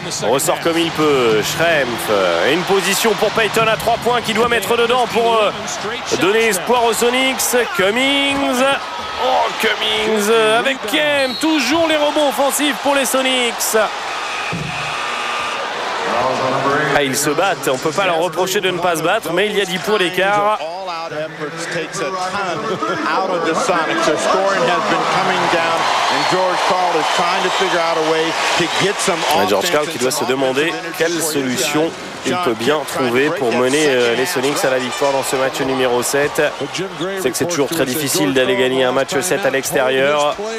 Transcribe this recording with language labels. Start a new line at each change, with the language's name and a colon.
French: Ressort comme il peut. Schrempf. Et une position pour Peyton à 3 points qu'il doit mettre dedans pour donner espoir aux Sonics. Cummings. Oh, Cummings avec Kemp. Toujours les rebonds offensifs pour les Sonics. Ah, ils se battent. On ne peut pas leur reprocher de ne pas se battre, mais il y a 10 points d'écart.
English: crowd efforts takes a ton out of the Sonics. The scoring has been coming down, and George Karl is trying to figure out a way to get some offense.
French: George Karl qui doit se demander quelle solution il peut bien trouver pour mener les Sonics à la victoire dans ce match numéro 7. C'est que c'est toujours très difficile d'aller gagner un match 7 à l'extérieur.